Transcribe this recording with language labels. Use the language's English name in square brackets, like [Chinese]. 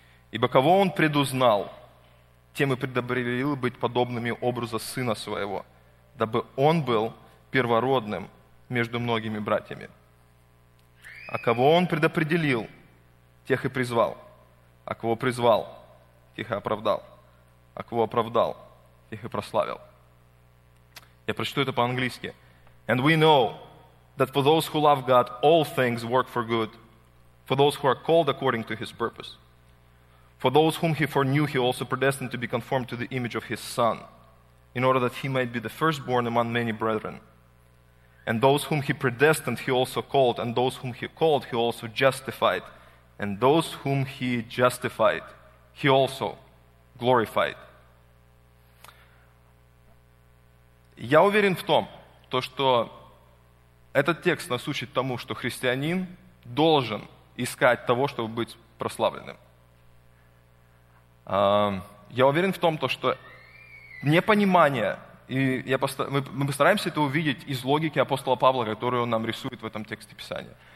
[Russian] Ибо кого Он предузнал, тем и предопределил быть подобными образа Сына Своего, дабы Он был первородным между многими братьями. А кого Он предопределил, тех и призвал. А кого призвал, тех и оправдал. А кого оправдал, тех и прославил. Я прочту это по-английски. [English] And we know that for those who love God, all things work for good, for those who are called according to His purpose. For those whom He foreknew, He also predestined to be conformed to the image of His Son, in order that He might be the firstborn among many brethren. And those whom He predestined, He also called, and those whom He called, He also justified, and those whom He justified, He also glorified. [Russian] Я уверен в том, то, что этот текст нас учит тому, что христианин должен искать того, чтобы быть прославленным. Я уверен в том, что непонимание, и мы постараемся это увидеть из логики апостола Павла, которую он нам рисует в этом тексте Писания.